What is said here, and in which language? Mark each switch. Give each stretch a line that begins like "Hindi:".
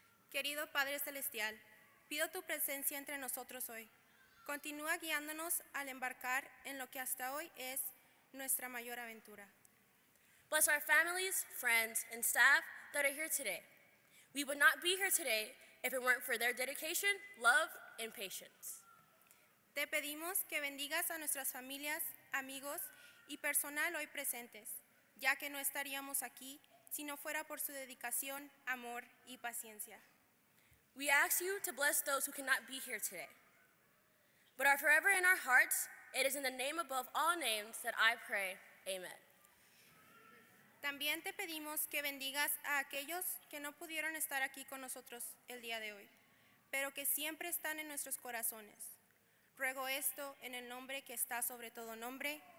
Spanish: Querido Padre Celestial, pido tu presencia entre nosotros hoy. Continúa guiándonos al embarcar en lo que hasta hoy es nuestra mayor aventura.
English: Bless our families, friends, and staff that are here today. We would not be here today if it weren't for their dedication, love, and patience.
Spanish: Te pedimos que bendigas a nuestras familias, amigos, y personal hoy presentes, ya que no estaríamos aquí si no fuera por su dedicación, amor, y paciencia.
English: We ask you to bless those who cannot be here today, but are forever in our hearts. It is in the name above all names that I pray. Amen.
Spanish: También te pedimos que bendigas a aquellos que no pudieron estar aquí con nosotros el día de hoy, pero que siempre están en nuestros corazones. Ruego esto en el nombre que está sobre todo nombre.